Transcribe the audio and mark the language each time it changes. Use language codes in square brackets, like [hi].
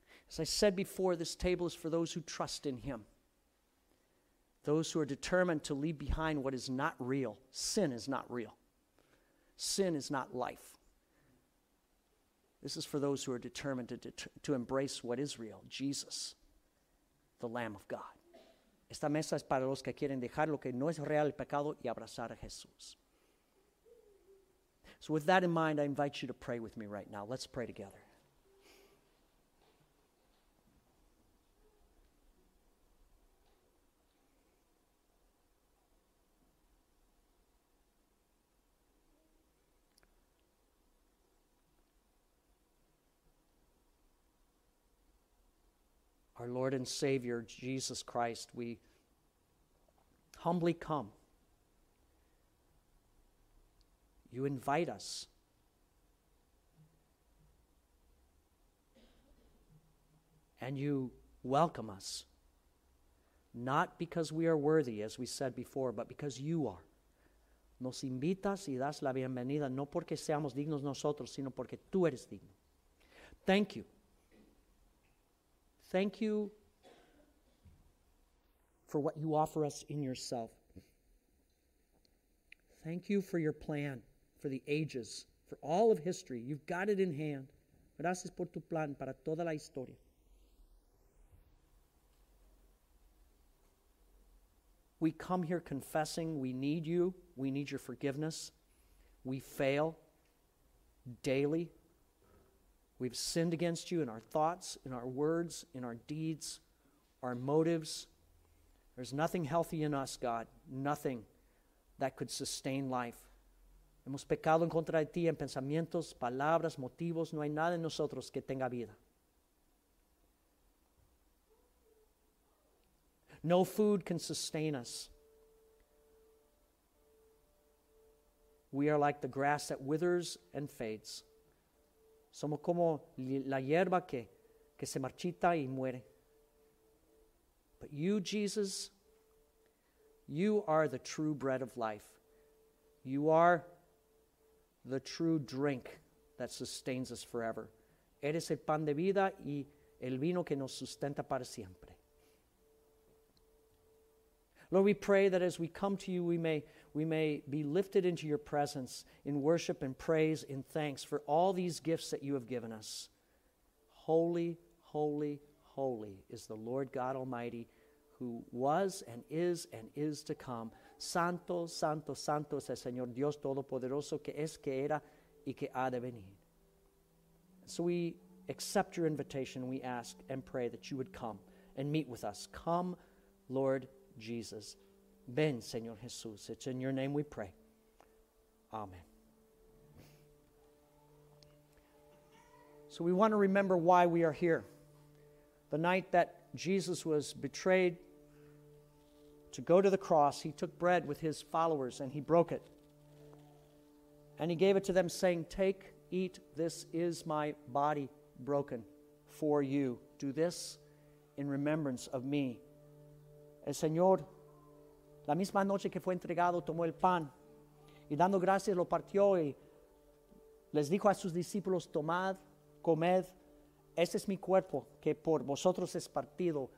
[en] As I said before, this table is for those who trust in him. Those who are determined to leave behind what is not real. Sin is not real. Sin is not life. This is for those who are determined to embrace what is real, Jesus, the Lamb of God. [es] Esta mesa es para los que quieren dejar lo que no es real, el pecado, y abrazar a Jesús. [en] So with that in mind, I invite you to pray with me right now. Let's pray together. Our Lord and Savior, Jesus Christ, we humbly come. You invite us. And you welcome us. Not because we are worthy, as we said before, but because you are. [es] Nos invitas y das la bienvenida, no porque seamos dignos nosotros, sino porque tú eres digno. [en] Thank you. Thank you for what you offer us in yourself. Thank you for your plan, for the ages, for all of history. You've got it in hand. [es] Gracias por tu plan para toda la historia. [en] We come here confessing we need you. We need your forgiveness. We fail daily. We've sinned against you in our thoughts, in our words, in our deeds, our motives. There's nothing healthy in us, God, nothing that could sustain life. [es] Hemos pecado en contra de ti en pensamientos, palabras, motivos. No hay nada en nosotros que tenga vida. [en] No food can sustain us. We are like the grass that withers and fades. [es] Somos como la hierba que se marchita y muere. [en] But you, Jesus, you are the true bread of life. You are the true drink that sustains us forever. [es] Eres el pan de vida y el vino que nos sustenta para siempre. [en] Lord, we pray that as we come to you, we may be lifted into your presence in worship and praise and thanks for all these gifts that you have given us. Holy, holy, holy is the Lord God Almighty, who was and is to come. [es] Santo, santo, santo es el Señor Dios Todopoderoso, que es, que era, y que ha de venir. [en] So we accept your invitation, we ask and pray that you would come and meet with us. Come, Lord Jesus. [es] Ven, Señor Jesús. [en] It's in your name we pray. Amen. So we want to remember why we are here. The night that Jesus was betrayed to go to the cross, he took bread with his followers and he broke it. And he gave it to them saying, "Take, eat, this is my body broken for you. Do this in remembrance of me." [es] El Señor, la misma noche que fue entregado, tomó el pan y dando gracias lo partió y les dijo a sus discípulos, "Tomad, comed, este es mi cuerpo que por vosotros es partido.